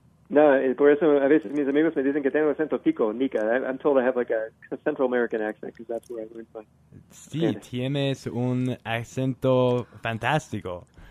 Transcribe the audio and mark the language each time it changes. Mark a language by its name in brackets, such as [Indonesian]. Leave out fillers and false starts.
[Spanish] No, por eso a veces mis amigos me dicen que tengo acento pico, Nica. [English] I'm told I have like a Central American accent because that's where I learned my. [Spanish] Sí, tienes un acento fantástico.